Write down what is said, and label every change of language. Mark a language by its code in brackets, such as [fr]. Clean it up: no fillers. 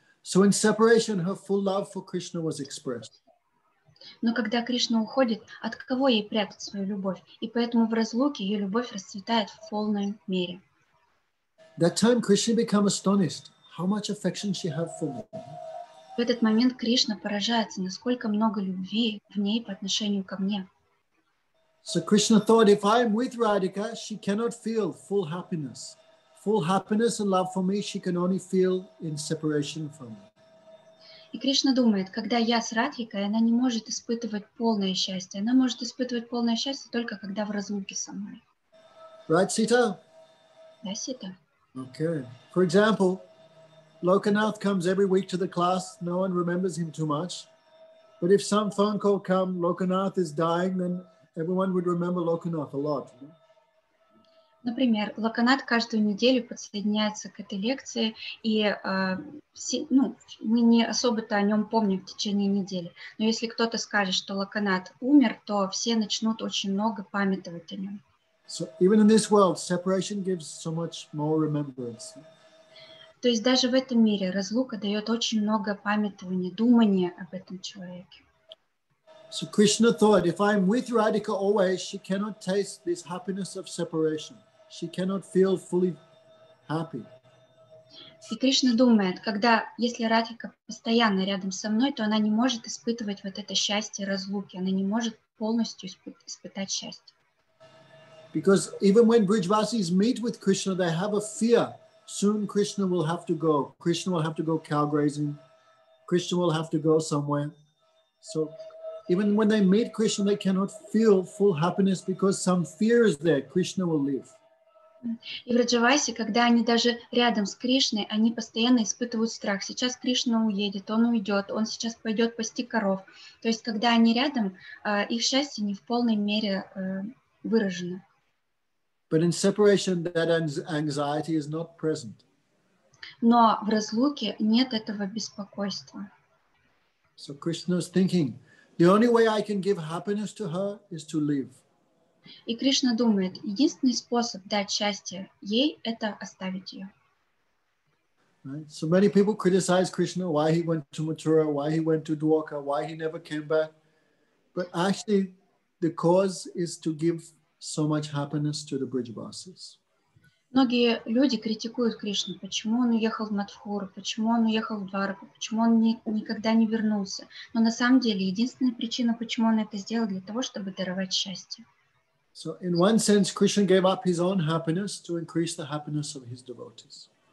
[en] So in separation, her full love for Krishna was expressed. [ru] Но когда Кришна уходит, от кого ей прятать свою любовь? И поэтому в разлуке ее любовь расцветает в полной мере. [en] That time Krishna became astonished how much affection she had for me. [ru] В этот момент Кришна поражается, насколько много любви в ней по отношению ко мне. [en] So Krishna thought, if I am with Radhika, she cannot feel full happiness. Full happiness and love for me she can only feel in separation from me. [ru] И Кришна думает, когда я с Радхикой, она не может испытывать полное счастье. Она может испытывать полное счастье только когда в разлуке со мной. [en] Right, Sita? [ru] Да, Сита. [en] Okay. For example, Lokanath comes every week to the class. No one remembers him too much. But if some phone call come, Lokanath is dying, then everyone would remember Lokanath a lot. You know? [ru] Например, Локонат каждую неделю подсоединяется к этой лекции, и мы не особо-то о нем помним в течение недели. Но если кто-то скажет, что Локонат умер, то все начнут очень много памятовать о нем. [en] So even in this world, separation gives so much more remembrance. [ru] То есть даже в этом мире разлука дает очень много памятования, думания об этом человеке. [en] So Krishna thought, if I'm with Radhika always, she cannot taste this happiness of separation. She cannot feel fully happy. [ru] И Кришна думает, когда если Радхика постоянно рядом со мной, то она не может испытывать вот это счастье разлуки. Она не может полностью испытать счастье. [en] Because even when Brijvasis meet with Krishna, they have a fear. Soon Krishna will have to go. Krishna will have to go cow grazing. Krishna will have to go somewhere. So even when they meet Krishna, they cannot feel full happiness because some fear is there. Krishna will leave. [ru] И в Раджавасе, когда они даже рядом с Кришной, они постоянно испытывают страх. Сейчас Кришна уедет, он уйдет, он сейчас пойдет пасти коров. То есть, когда они рядом, их счастье не в полной мере выражено. [en] But in separation, that anxiety is not present. [ru] Но в разлуке нет этого беспокойства. [en] So Krishna is thinking, the only way I can give happiness to her is to leave. [ru] И Кришна думает, единственный способ дать счастье ей – это оставить ее. [en] Right. So many people criticize Krishna, why he went to Mathura, why he went to Dwarka, why he never came back. But actually, the cause is to give so much happiness to the Brijavasis. [ru] Многие люди критикуют Кришну, почему он уехал в Мадхуру, почему он уехал в Двараку, почему он никогда не вернулся. Но на самом деле, единственная причина, почему он это сделал, для того, чтобы даровать счастье. [en] So in one sense, Krishna gave up his own happiness to increase the happiness of his devotees.